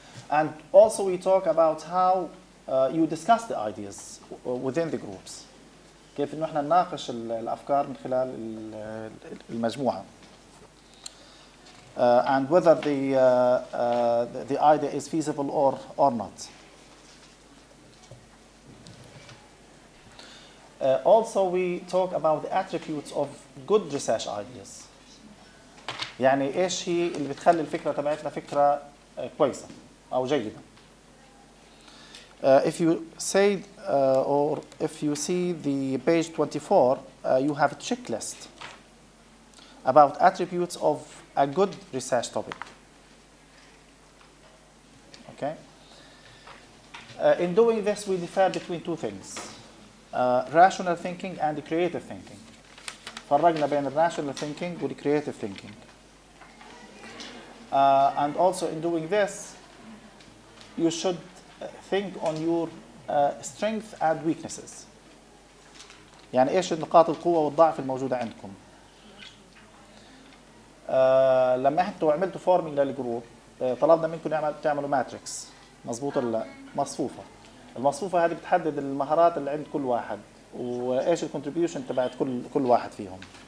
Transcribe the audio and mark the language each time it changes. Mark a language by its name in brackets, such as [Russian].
[English] And also we talk about how you discuss the ideas within the groups. [Arabic] كيف إنه إحنا نناقش الأفكار من خلال المجموعة [English] and whether the idea is feasible or not. Also we talk about the attributes of good research ideas. [Arabic] يعني إيش هي اللي بتخلي الفكرة تبعتنا فكرة كويسة أو جيدة. [English] If you say or if you see the page 24, you have a checklist about attributes of a good research topic. Okay. In doing this, we differ between two things: rational thinking and creative thinking. [Arabic] فرقنا بين [English] rational thinking and creative thinking. And also, in doing this, you should think on your strength and weaknesses. [Arabic] يعني إيش النقاط القوة والضعف الموجودة عندكم. لما أنتوا عملتوا فورمينج للجروب طلبنا منكم تعملوا ماتريكس. مظبوط ولا لا؟ مصفوفة. المصفوفة هذه بتحدد المهارات اللي عند كل واحد وإيش الكونتريبيوشن تبعت كل واحد فيهم.